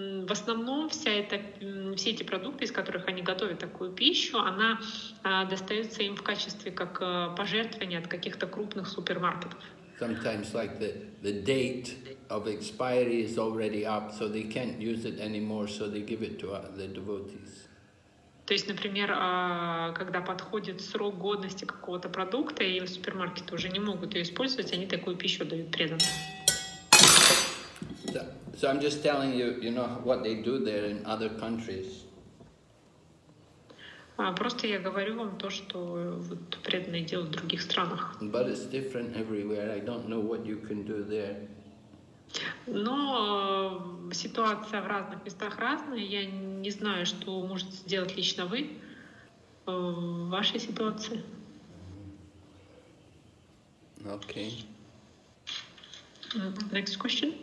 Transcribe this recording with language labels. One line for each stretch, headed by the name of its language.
Russian: В основном все эти продукты, из которых они готовят такую пищу, она достается им в качестве как пожертвования от каких-то крупных супермаркетов.
English: Sometimes like the date of expiry is already up, so they can't use it anymore, so they give it to the devotees.
Russian: То есть, например, когда подходит срок годности какого-то продукта, и супермаркеты уже не могут ее использовать, они такую пищу дают преданным.
English: So I'm just telling you, you know, what they do there in other countries.
Russian: Просто я говорю вам то, что вот преданные делают в других странах.
English: But it's different everywhere. I don't know what you can do there.
Russian: Но ситуация в разных местах разная. Я не знаю, что можете сделать лично вы в вашей ситуации.
English: Okay. Next question.